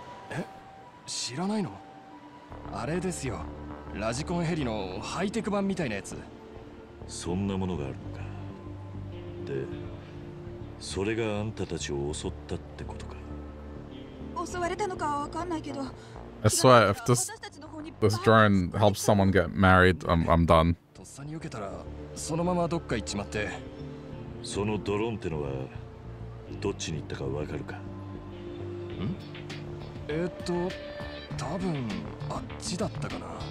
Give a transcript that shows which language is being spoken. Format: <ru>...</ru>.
<ja>え、知らないの？あれですよ。ラジコンヘリのハイテク版みたいなやつ。そんなものがあるのか。で、それがあんたたちを襲ったってことか。襲われたのかわかんないけど。</ja> <en>I swear, if this drone helps someone get married, I'm done.</en> <ja>とっさに避けたら、そのままどっか行っちまって。そのドローンってのは、どっちに行ったかわかるか。ん？多分、あっちだったかな。</ja>